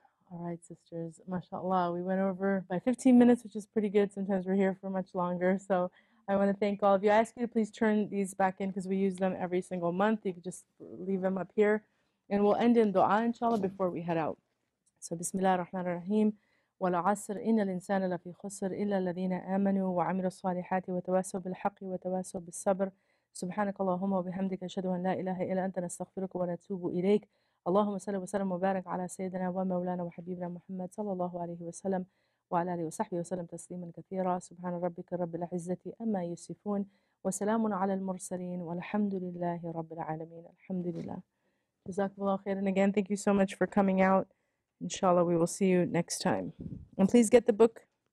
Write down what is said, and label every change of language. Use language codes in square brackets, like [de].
[en] All right, sisters. MashaAllah, we went over by 15 minutes, which is pretty good. Sometimes we're here for much longer. So I want to thank all of you. I ask you to please turn these back in, because we use them every single month. You can just leave them up here. And we'll end in dua, inshallah, before we head out. So, Bismillah ar-Rahman ar-Rahim. [ar] والعصر إن الإنسان لفي خسر إلا الذين آمنوا وعملوا الصالحات وتواسوا بالحق وتواسوا بالصبر سبحانك اللهم وبحمدك أشهد أن لا إله إلا أنت نستغفرك ونتوب إليك اللهم صل وسلم وبارك على سيدنا ومولانا وحبيبنا محمد صلى الله عليه وسلم وعلى آله وصحبه وسلم تسليما كثيرا سبحان ربك رب العزة أما يصفون وسلام على المرسلين والحمد لله رب العالمين الحمد لله جزاكم الله خير. [en] And again, thank you so much for coming out. Inshallah, we will see you next time. And please get the book.